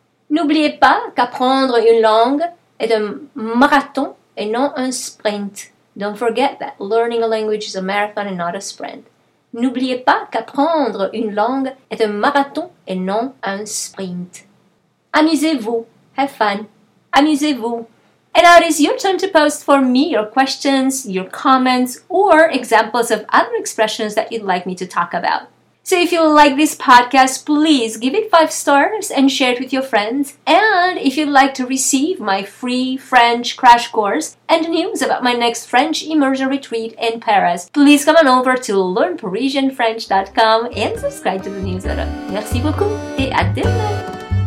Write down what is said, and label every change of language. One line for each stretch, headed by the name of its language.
French: N'oubliez pas qu'apprendre une langue est un marathon et non un sprint.
English: Don't forget that learning a language is a marathon and not a sprint.
French: N'oubliez pas qu'apprendre une langue est un marathon et non un sprint. Amusez-vous.
English: Have fun.
French: Amusez-vous.
English: And now it is your turn to post for me your questions, your comments, or examples of other expressions that you'd like me to talk about. So if you like this podcast, please give it 5 stars and share it with your friends. And if you'd like to receive my free French crash course and news about my next French immersion retreat in Paris, please come on over to learnparisianfrench.com and subscribe to the newsletter.
French: Merci beaucoup et à demain!